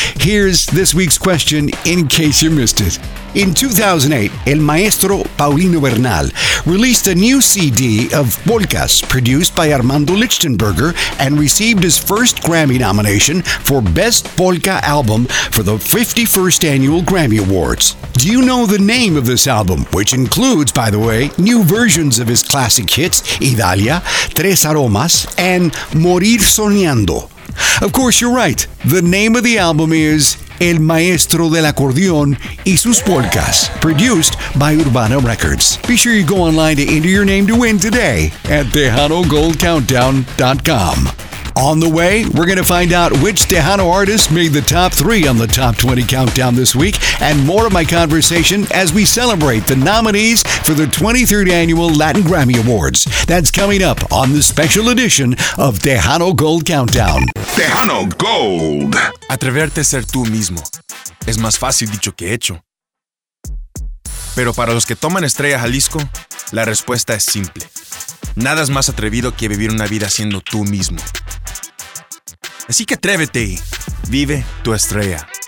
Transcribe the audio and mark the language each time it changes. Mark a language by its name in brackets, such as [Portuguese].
[English] Here's this week's question in case you missed it. In 2008, El Maestro Paulino Bernal released a new CD of polkas produced by Armando Lichtenberger and received his first Grammy nomination for Best Polka Album for the 51st Annual Grammy Awards. Do you know the name of this album, which includes, by the way, new versions of his classic hits, Idalia, Tres Aromas, and Morir Soñando? Of course, you're right. The name of the album is [Spanish] El Maestro del Acordeón y sus polkas. [English] Produced by Urbana Records. Be sure you go online to enter your name to win today at TejanoGoldCountdown.com. On the way, we're going to find out which Tejano artist made the top three on the Top 20 Countdown this week, and more of my conversation as we celebrate the nominees for the 23rd Annual Latin Grammy Awards. That's coming up on this special edition of Tejano Gold Countdown. Tejano Gold! [Spanish] Atreverte a ser tú mismo es más fácil dicho que hecho. Pero para los que toman Estrella Jalisco, la respuesta es simple. Nada es más atrevido que vivir una vida siendo tú mismo. Así que atrévete y vive tu estrella.